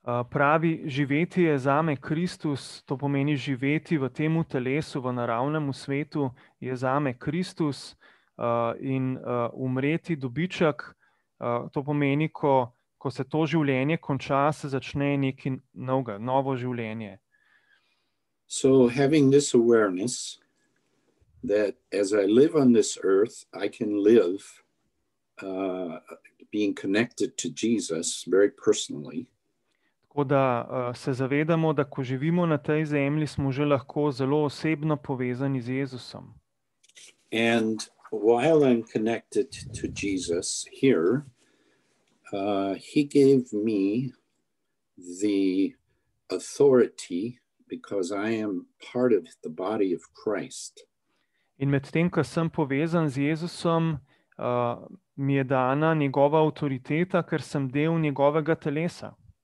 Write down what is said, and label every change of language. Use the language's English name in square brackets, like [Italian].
[Slovenian] Pravi, živeti je zame Kristus, to pomeni živeti v temu telesu, v naravnem svetu, je zame Kristus in umreti dobiček, to pomeni, ko se to življenje konča, se začne neki novega, novo življenje. [English] So having this awareness that as I live on this earth, I can live being connected to Jesus very personally. [Slovenian] Tako da se zavedamo, da ko živimo na tej zemlji, smo že lahko zelo osebno povezani z Jezusom. [English] And while I'm connected to Jesus here, he gave me the authority because I am part of the body of Christ. [Slovenian] In med tem, ko sem povezan z Jezusom, mi je dana njegova avtoriteta, ker sem del njegovega telesa.